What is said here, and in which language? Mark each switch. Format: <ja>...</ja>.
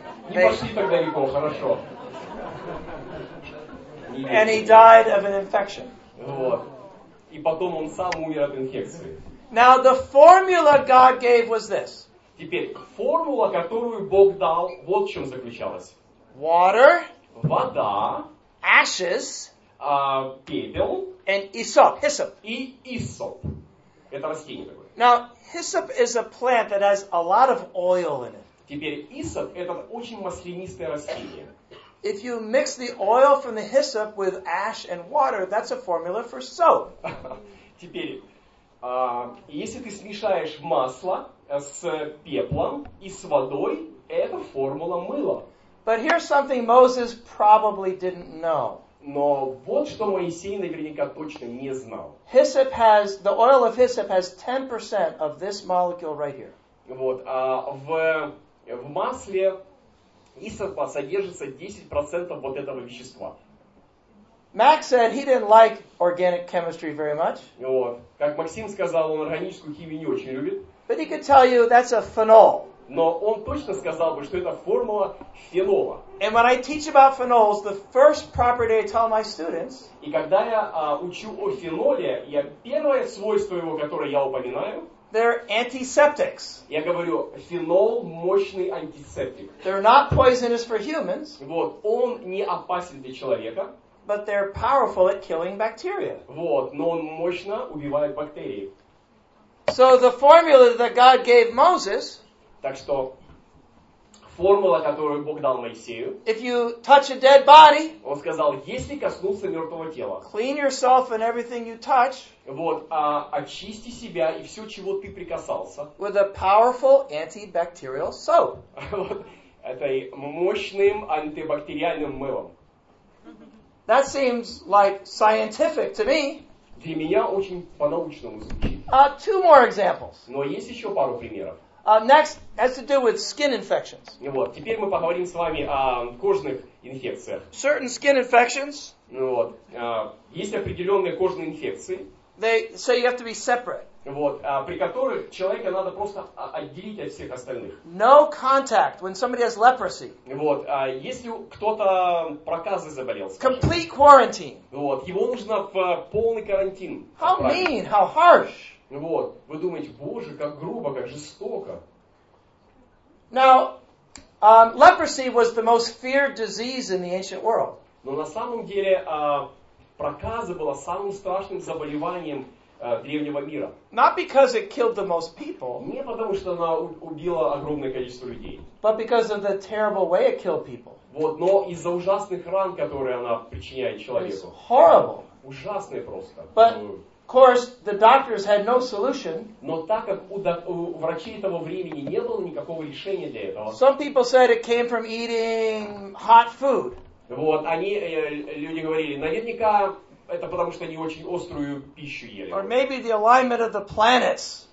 <ru>Не пошли так далеко, хорошо.</ru> <en>And he died of an infection.</en> <ru>Вот. И потом он сам умер от инфекции.</ru> <en>Now the formula God gave was this.</en> <ru>Теперь формула, которую Бог дал, вот в чем заключалась.</ru> <en>Water.</en> <ru>Вода.</ru> <en>Ashes.</en> <ru>Пепел.</ru> <en>And hyssop.</en> <ru>И hyssop. Это растение такое.</ru> <en>Now hyssop is a plant that has a lot of oil in it.</en> <ru>Теперь hyssop это очень маслянистое растение.</ru> <en>If you mix the oil from the hyssop with ash and water, that's a formula for soap.</en> <ru>Теперь, если ты смешаешь масло с пеплом и с водой, это формула мыла.</ru> <en>But here's something Moses probably didn't know.</en> <ru>Но вот что Моисей наверняка точно не знал.</ru> <en>Hyssop has, the oil of hyssop has 10% of this molecule right here.</en> <ru>Вот, в масле Исопа содержится 10% вот этого вещества.</ru> <en>Max said he didn't like organic chemistry very much.</en> <ru>Вот. Как Максим сказал, он органическую химию не очень любит.</ru> <en>But he could tell you that's a phenol.</en> <ru>Но он точно сказал бы, что это формула фенола.</ru> <en>And when I teach about phenols, the first property I tell my students,</en> <ru>и когда я учу о феноле, я первое свойство его, которое я упоминаю,</ru> <en>they're antiseptics.</en> <ru>Я говорю, фенол мощный антисептик.</ru> <en>They're not poisonous for humans.</en> <ru>Вот, он не опасен для человека.</ru> <en>But they're powerful at killing bacteria.</en> <ru>Вот, но он мощно убивает бактерии.</ru> <en>So the formula that God gave Moses,</en> <ru>так что формула, которую Бог дал Моисею.</ru> <en>If you touch a dead body,</en> <ru>он сказал, если коснуться мертвого тела,</ru> <en>clean yourself and everything you touch,</en> <ru>вот, очисти себя и все, чего ты прикасался,</ru> <en>with a powerful antibacterial soap.</en> <ru>Этой мощным антибактериальным мылом.</ru> <en>That seems like scientific to me.</en> <ru>Для меня очень по-научному звучит.</ru> <en>Two more examples.</en> <ru>Но есть еще пару примеров.</ru> <en>Next has to do with skin infections.</en> <ru>Вот, теперь мы поговорим с вами о кожных инфекциях.</ru> <en>Certain skin infections.</en> <ru>Вот, есть определенные кожные инфекции.</ru> <en>They, so you have to be separate.</en> <ru>Вот, при которых человека надо просто отделить от всех остальных.</ru> <en>No contact when somebody has leprosy.</en> <ru>Вот, если кто-то проказой заболел.</ru> <en>Complete quarantine.</en> <ru>Вот, его нужно в полный карантин.</ru> <en>How mean, how harsh.</en> <ru>Вот, вы думаете, боже, как грубо, как жестоко.</ru> <en>Now, leprosy was the most feared disease in the ancient world.</en> <ru>Но на самом деле, проказа была самым страшным заболеванием древнего мира.</ru> <en>Not because it killed the most people.</en> <ru>Не потому, что она убила огромное количество людей.</ru> <en>But because of the terrible way it killed people.</en> <ru>Вот, но из-за ужасных ран, которые она причиняет человеку.</ru> <en>It's horrible.</en> <ru>Ужасные просто.</ru> <en>But, of course, the doctors had no solution.</en> <ru>Но так как у врачей того времени не было никакого решения для этого.</ru> <en>Some people said it came from eating hot food.</en> <ru>Вот, они, люди говорили, наверняка это потому, что они очень острую пищу ели.</ru> <en>Or maybe the alignment of the planets.</en>